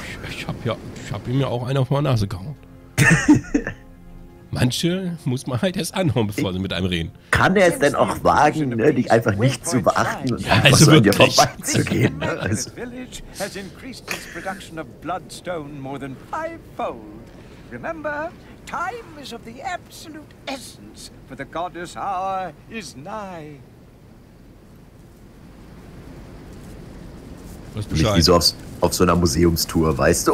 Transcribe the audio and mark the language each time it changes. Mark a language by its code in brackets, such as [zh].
[de] Ich hab ihm ja auch einen auf der Nase gehauen. Manche muss man halt erst anhauen, bevor sie mit einem reden. Kann er es denn auch wagen, ne, dich einfach nicht zu beachten und also einfach so an dir vorbeizugehen? [en] Village has increased its production of bloodstone more than fivefold. Remember, time is of the absolute essence, for the goddess hour is nigh. [de] Was bist du? Wie so auf so einer Museumstour, weißt du?